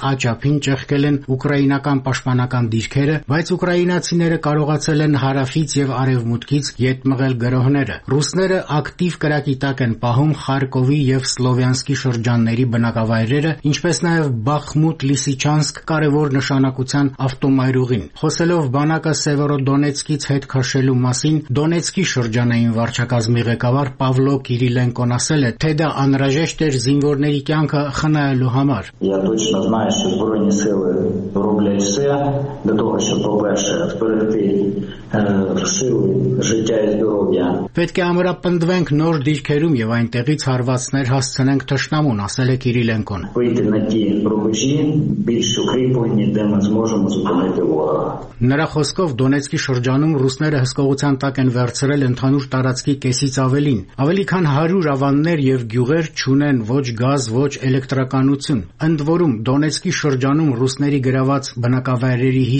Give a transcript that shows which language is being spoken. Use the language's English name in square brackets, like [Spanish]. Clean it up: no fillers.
[Armenian] աջապին ճեղքել են ուկրաինական պաշտպանական դիրքերը, բայց ուկրաինացիները կարողացել են հարավից և արևմուտքից ետ մղել գրոհները։ Ռուսները ակտիվ կրակի տակ են պահում Խարկովի և Սլովյանսկի շրջանների բնակավայրերը, ինչպես նաև Բախմուտ, Լիսիչանսկ կարևոր նշանակության ավտոմայրուղին։ Խոսելով բանակը Սևերոդոնեցկից հետ քաշելու մասին, Դոնեցկի շրջանային վարչակազմի ղեկավար Պավլո Կիրիլենկոն ասել է, թե դա անհրաժեշտ էր զինվորների կյանքը Хнаелю Гамар. [Ukrainian] Я точно знаю, що Збройні сили роблять все для того, щоб, по-перше, зберегти сили, життя і здоров'я. [Armenian] Պետք է ամրապնդվենք նոր դիրքերում եւ այնտեղից հարվածներ հասցնենք Թշնամուն, ասել է Կիրիլենկոն։ Նրա խոսքով Դոնեցկի շրջանում ռուսները հսկողության տակ են վերցրել ընդհանուր տարածքի կեսից ավելին։ Ավելի քան 100 ավաններ եւ գյուղեր չունեն ոչ գազ, ոչ էլեկտրականություն։ Ընդ որում Դոնեցկի շրջանում ռուսների գրաված բնակավայրերի